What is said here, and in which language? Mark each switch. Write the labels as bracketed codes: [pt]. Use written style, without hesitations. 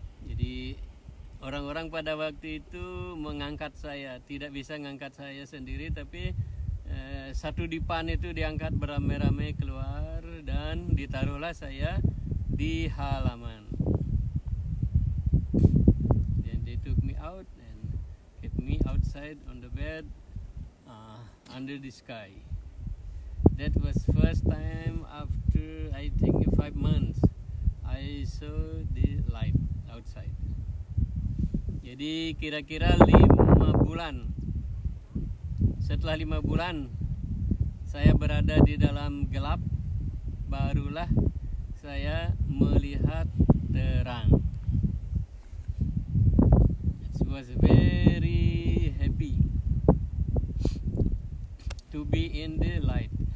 [id] Jadi orang-orang pada waktu itu mengangkat saya, tidak bisa mengangkat saya sendiri, tapi satu dipan itu diangkat beramai-ramai keluar dan ditaruhlah saya di halaman. [en] Then they took me out. Me outside on the bed under the sky. That was first time after I think 5 months I saw the light outside. [id] Jadi kira-kira 5 bulan. Setelah 5 bulan saya berada di dalam gelap, barulah saya melihat terang. [en] It was very happy to be in the light.